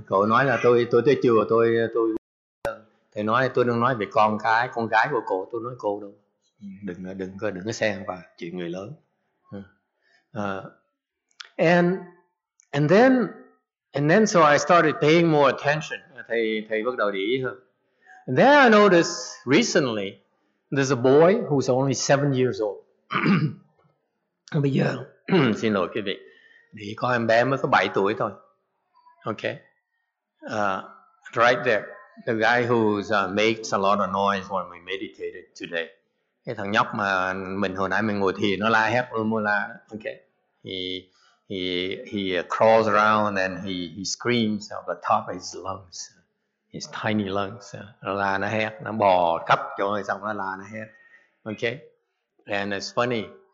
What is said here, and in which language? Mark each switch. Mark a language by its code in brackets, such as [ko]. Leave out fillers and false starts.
[vi] Cô nói là tôi tới chùa, tôi thầy nói tôi đang nói về con gái của cô, tôi nói cô đâu. Đừng có xen vào chuyện người lớn. [en] And then so I started paying more attention. [vi] Thầy bắt đầu để ý hơn. [en] And then I noticed recently there's a boy who's only 7 years old. [vi] Bây giờ, xin lỗi quý vị, để có em bé mới có 7 tuổi thôi. [en] Okay. Right there. The guy who's makes a lot of noise when we meditated today. [vi] Cái thằng nhóc mà mình hồi nãy mình ngồi thiền nó la hét luôn mô la. [en] Okay. He crawls around and he screams at the top of his lungs, his tiny lungs. [vi] La nó hét, nó bò khắp chỗ rồi xong nó la nó hét. [en] Okay, and it's funny.